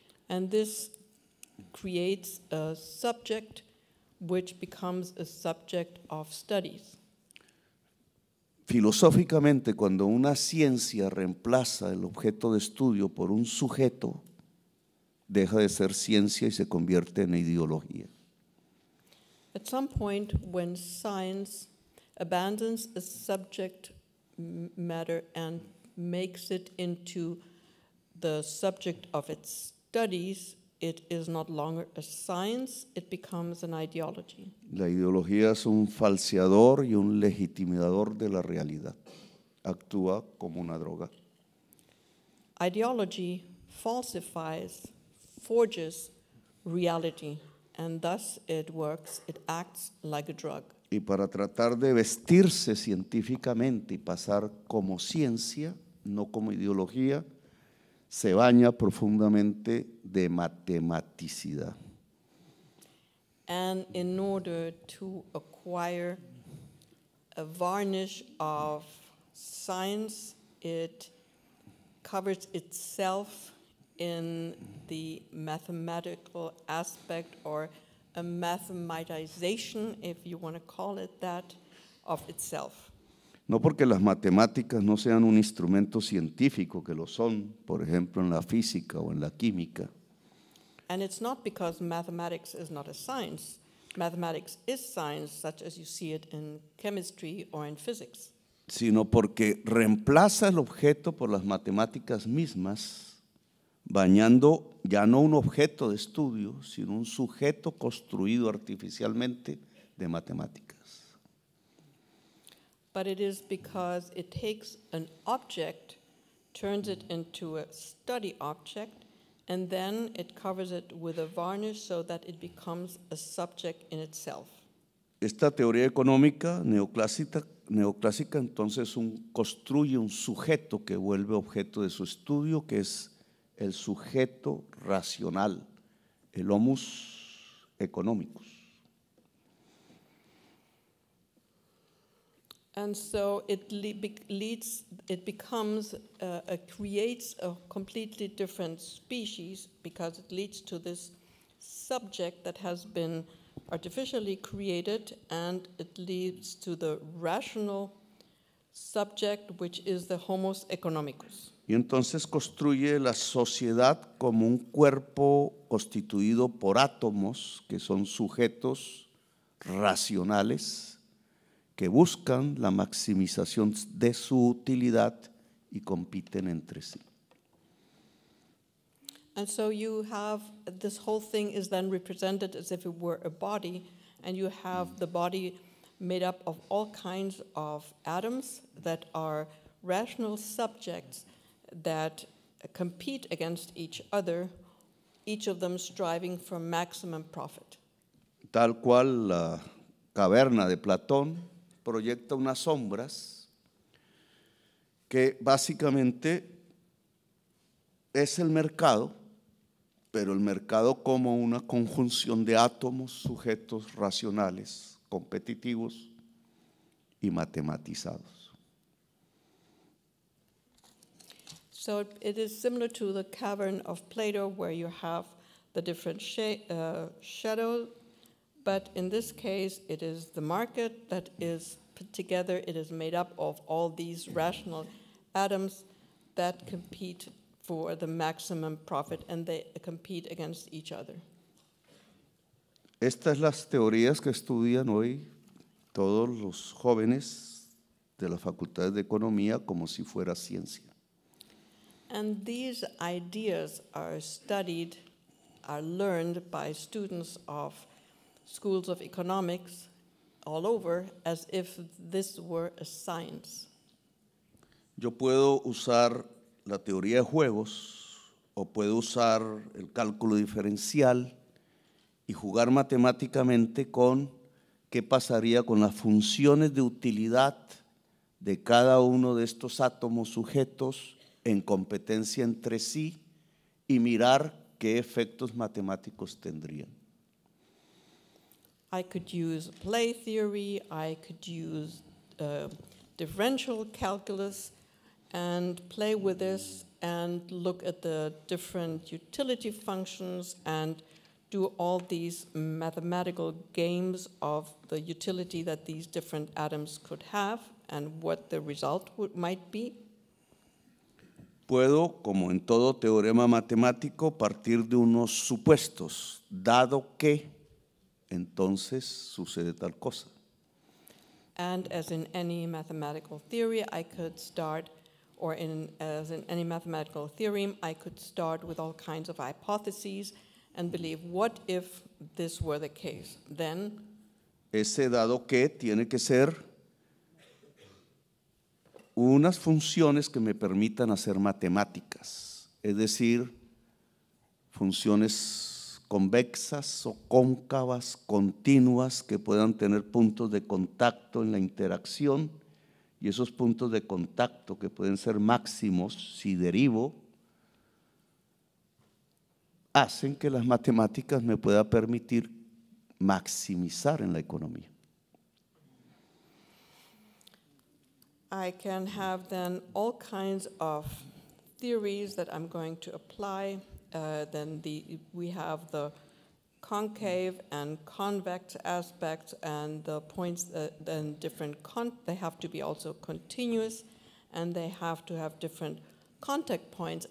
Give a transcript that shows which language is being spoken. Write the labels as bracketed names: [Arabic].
[English] And this creates a subject which becomes a subject of studies. [Spanish] Filosóficamente, cuando una ciencia reemplaza el objeto de estudio por un sujeto, deja de ser ciencia y se convierte en ideología. [English] At some point, when science abandons a subject matter and makes it into the subject of its studies, it is not longer a science, it becomes an ideology. [Spanish] La ideología es un falseador y un legitimador de la realidad. Actúa como una droga. [English] Ideology falsifies, forges reality, and thus it works, it acts like a drug. [Spanish] Y para tratar de vestirse científicamente y pasar como ciencia, no como ideología, se baña profundamente de matematicidad. [English] And in order to acquire a varnish of science, it covers itself in the mathematical aspect or a mathematization, if you want to call it that, of itself. [Spanish] No porque las matemáticas no sean un instrumento científico, que lo son, por ejemplo, en la física o en la química. [English] And it's not because mathematics is not a science. Mathematics is science, such as you see it in chemistry or in physics. [Spanish] Sino porque reemplaza el objeto por las matemáticas mismas, bañando ya no un objeto de estudio, sino un sujeto construido artificialmente de matemáticas. [English] But it is because it takes an object, turns it into a study object, and then it covers it with a varnish so that it becomes a subject in itself. [Spanish] Esta teoría económica neoclásica entonces construye un sujeto que vuelve objeto de su estudio, que es el sujeto racional, el homus economicus. [English] And so it leads, it becomes, creates a completely different species because it leads to this subject that has been artificially created and it leads to the rational subject, which is the homus economicus. [Spanish] Y entonces construye la sociedad como un cuerpo constituido por átomos que son sujetos racionales, que buscan la maximización de su utilidad y compiten entre sí. [English] And so you have, this whole thing is then represented as if it were a body, and you have the body made up of all kinds of atoms that are rational subjects that compete against each other, each of them striving for maximum profit. [Spanish] Tal cual la caverna de Platón proyecta unas sombras que básicamente es el mercado, pero el mercado como una conjunción de átomos, sujetos racionales, competitivos, y matematizados. [English] So it is similar to the cavern of Plato, where you have the different shadows, but in this case, it is the market that is put together. It is made up of all these rational atoms that compete for the maximum profit, and they compete against each other. [Spanish] Estas las teorías que estudian hoy todos los jóvenes de la Facultad de Economía como si fuera ciencia. [English] And these ideas are studied, are learned by students of schools of economics all over as if this were a science. [Spanish] Yo puedo usar la teoría de juegos o puedo usar el cálculo diferencial y jugar matemáticamente con qué pasaría con las funciones de utilidad de cada uno de estos átomos sujetos en competencia entre sí y mirar qué efectos matemáticos tendrían. [English] I could use play theory, I could use differential calculus and play with this and look at the different utility functions and do all these mathematical games of the utility that these different atoms could have and what the result might be. [Spanish] Puedo, como en todo teorema matemático, partir de unos supuestos, dado que, entonces, sucede tal cosa. [English] And as in any mathematical theory, I could start, or in, as in any mathematical theorem, I could start with all kinds of hypotheses and believe, what if this were the case? Then, [Spanish] ese dado que tiene que ser unas funciones que me permitan hacer matemáticas, es decir, funciones convexas o cóncavas, continuas, que puedan tener puntos de contacto en la interacción, y esos puntos de contacto que pueden ser máximos si derivo, hacen que las matemáticas me puedan permitir maximizar en la economía. [English] I can have then all kinds of theories that I'm going to apply. We have the concave and convex aspects and the points then different, they have to be also continuous and they have to have different contact points.